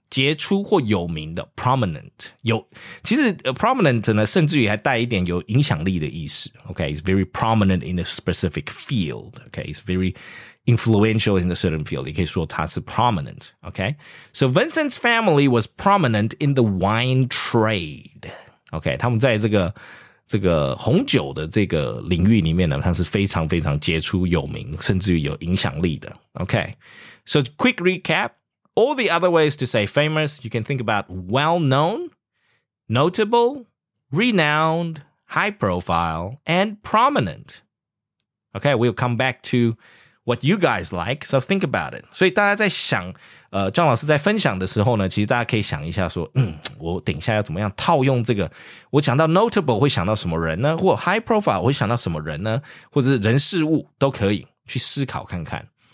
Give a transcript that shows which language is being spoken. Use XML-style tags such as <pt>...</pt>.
<zh>杰出或有名的 prominent. 有其实 prominent 呢，甚至于还带一点有影响力的意思。</zh> <en>Okay, it's very prominent in a specific field. Okay, it's very... influential in a certain field.</en> <zh>你可以说他是</zh> <en>prominent, okay? So Vincent's family was prominent in the wine trade.</en> <zh>Okay, 他们在这个红酒的这个领域里面呢，他是非常非常杰出有名，甚至于有影响力的。</zh> <en>Okay, so quick recap. All the other ways to say famous, you can think about well-known, notable, renowned, high profile, and prominent. Okay, we'll come back to what you guys like, so think about it.</en> <zh>所以大家在想，John 老师在分享的时候呢，其实大家可以想一下说，我等一下要怎么样套用这个，我讲到 notable 会想到什么人呢，或 high profile 会想到什么人呢，或者人事物都可以去思考看看。</zh>